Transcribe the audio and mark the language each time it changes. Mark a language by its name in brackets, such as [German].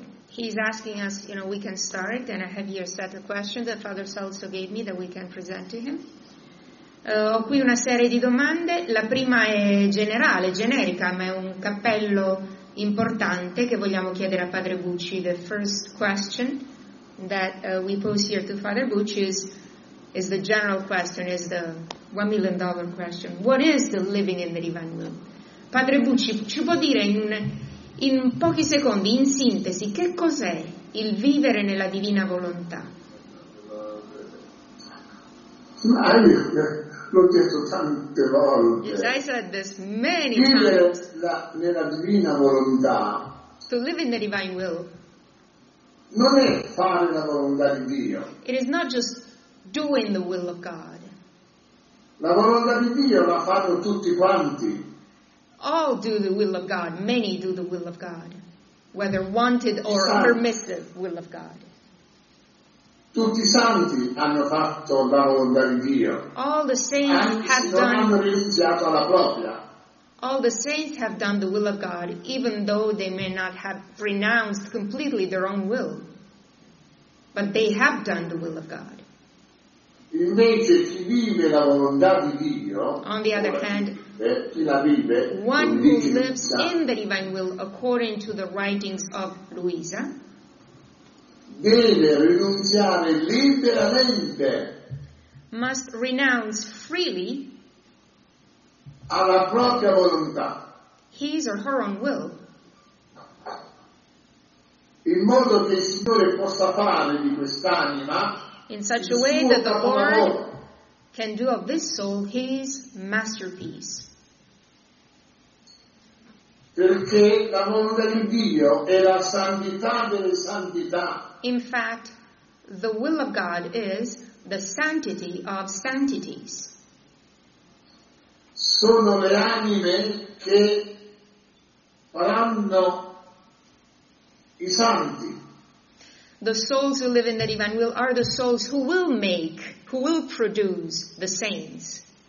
[English] He's asking us, you know, we can start, and I have here a set of questions that Father Celso gave me that we can present to him. [Italian] Ho qui una serie di domande. La prima è generale, generica, ma è un cappello importante che vogliamo chiedere a Padre Bucci. [English] The first question that we pose here to Father Bucci is the general question, is the $1 million question. What is the living in the divine will? [Italian] Padre Bucci, ci può dire in pochi secondi, in sintesi, che cos'è il vivere nella divina volontà? L'ho detto tante volte. [English] As I said this many [Italian] vivere [English] times. [Italian] Vivere nella divina volontà. [English] To live in the divine will. [Italian] Non è fare la volontà di Dio. [English] It is not just doing the will of God. [Italian] La volontà di Dio la fanno tutti quanti. [English] All do the will of God. Many do the will of God. Whether wanted or permissive will of God. [Italian] Tutti i santi hanno fatto la volontà di Dio. [English] All the saints have done. [Italian] Anche se non hanno rinunciato alla propria. [English] All the saints have done the will of God, even though they may not have renounced completely their own will. But they have done the will of God. [Italian] Invece chi vive la volontà di Dio. [English] On the other hand, [Italian] chi la vive, [English] one who lives in the divine will according to the writings of Luisa. [Italian] Deve rinunciare liberamente. [English] Must renounce freely. [Italian] Alla propria volontà. [English] His or her own will. [Italian] In modo che il Signore possa fare di quest'anima. [English] in such a way that the Lord can do of this soul His masterpiece. [Italian] Perché la volontà di Dio è la santità delle santità. [English] In fact, the will of God is the sanctity of sanctities. [Italian] Sono le anime che faranno i santi. [English] The souls who live in the divine will are the souls who will make, who will produce the saints.